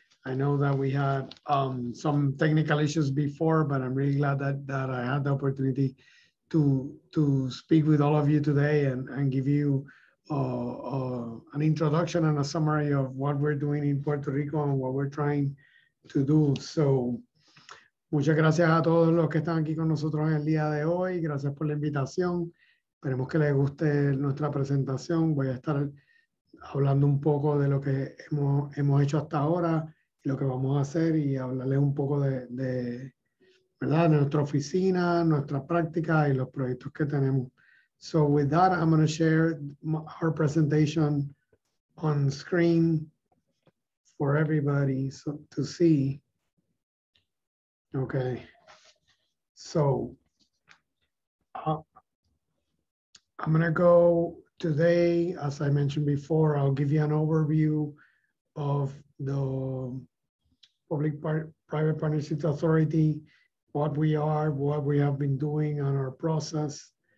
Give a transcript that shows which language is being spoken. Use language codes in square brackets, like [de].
[en] I know that we had some technical issues before, but I'm really glad that I had the opportunity to speak with all of you today and give you an introduction and a summary of what we're doing in Puerto Rico and what we're trying to do. [es] So, muchas gracias a todos los que están aquí con nosotros en el día de hoy. Gracias por la invitación. Esperemos que les guste nuestra presentación. Voy a estar hablando un poco de lo que hemos hecho hasta ahora y lo que vamos a hacer y hablarles un poco de ¿verdad? Nuestra oficina, nuestra práctica y los proyectos que tenemos. [en] So with that, I'm going to share our presentation on screen for everybody to see. Okay, so I'm going to go today, as I mentioned before, I'll give you an overview of the Public Private Partnerships Authority, what we are, what we have been doing and our process.